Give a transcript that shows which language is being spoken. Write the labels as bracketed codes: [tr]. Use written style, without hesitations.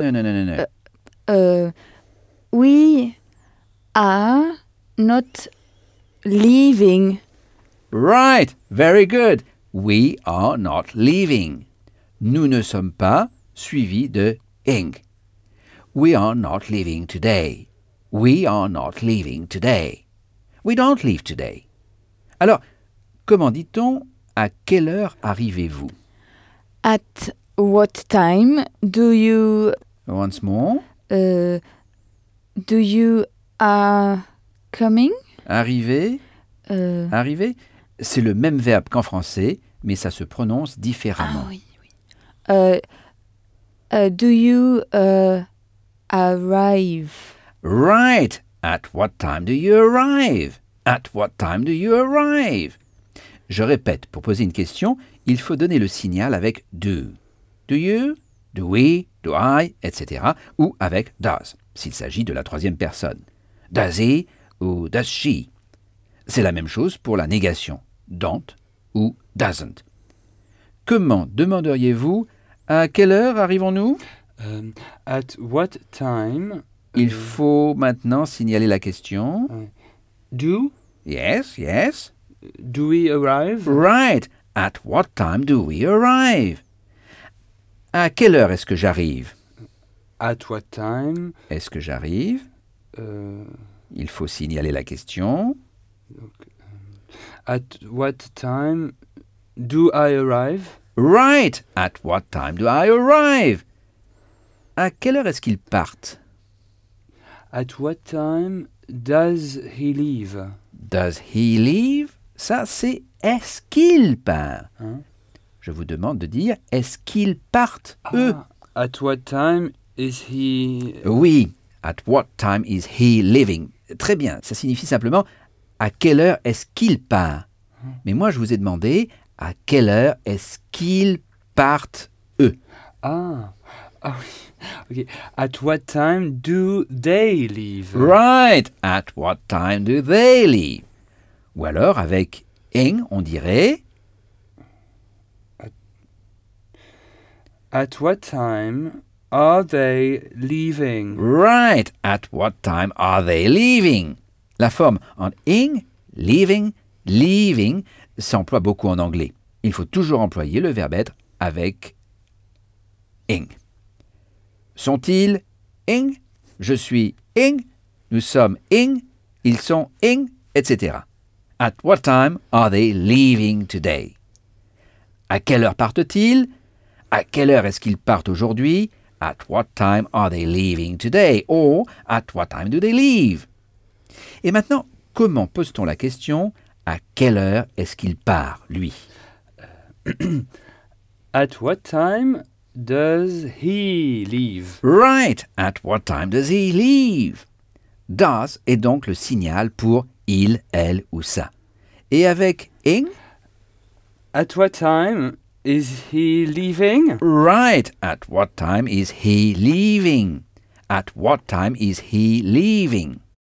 [en] No. We are not leaving. Right. Very good. We are not leaving. [fr] Nous ne sommes pas suivi de ing. [en] We are not leaving today. We are not leaving today. We don't leave today. [fr] Alors, comment dit-on « à quelle heure arrivez-vous » [en] At what time do you... Once more. Do you are coming? [fr] Arriver. Arriver. C'est le même verbe qu'en français, mais ça se prononce différemment. Ah oui, oui. [en] Do you arrive? Right. At what time do you arrive? At what time do you arrive? [fr] Je répète, pour poser une question, il faut donner le signal avec do. [en] Do you, do we, do I, [fr] etc. Ou avec does, s'il s'agit de la troisième personne. Does he ou does she. C'est la même chose pour la négation. Don't ou doesn't. Comment demanderiez-vous à quelle heure arrivons-nous? [en] At what time? [fr] Il faut maintenant signaler la question. [en] Do? Yes, yes. Do we arrive? Right. At what time do we arrive? [fr] À quelle heure est-ce que j'arrive? [en] At what time? [fr] Est-ce que j'arrive? Il faut signaler la question. [en] At what time do I arrive? Right. At what time do I arrive? [fr] À quelle heure est-ce qu'ils partent? [en] At what time does he leave? Does he leave? [fr] Ça, c'est « est-ce qu'il part ?» Hein? Je vous demande de dire « est-ce qu'ils partent, eux ?» [en] At what time is he... Oui, at what time is he leaving. [fr] Très bien, ça signifie simplement « à quelle heure est-ce qu'il part ?» Hein? Mais moi, je vous ai demandé « à quelle heure est-ce qu'ils partent, eux ?» Ah, oui. Ok. [en] At what time do they leave ? Right, at what time do they leave ? [fr] Ou alors, avec « ing », on dirait... [en] At what time are they leaving? Right, at what time are they leaving? [fr] La forme en « ing », « leaving », « leaving » s'emploie beaucoup en anglais. Il faut toujours employer le verbe être avec « ing ». Sont-ils « ing » ? Je suis « ing », nous sommes « ing », ils sont « ing », etc. [en] At what time are they leaving today? [fr] À quelle heure partent-ils? À quelle heure est-ce qu'ils partent aujourd'hui? [en] At what time are they leaving today? Or, at what time do they leave? [fr] Et maintenant, comment pose-t-on la question? À quelle heure est-ce qu'il part, lui? [en] At what time does he leave? Right! At what time does he leave? [fr] Does est donc le signal pour il, elle ou ça. Et avec ing? [en] At what time is he leaving? Right. At what time is he leaving? At what time is he leaving?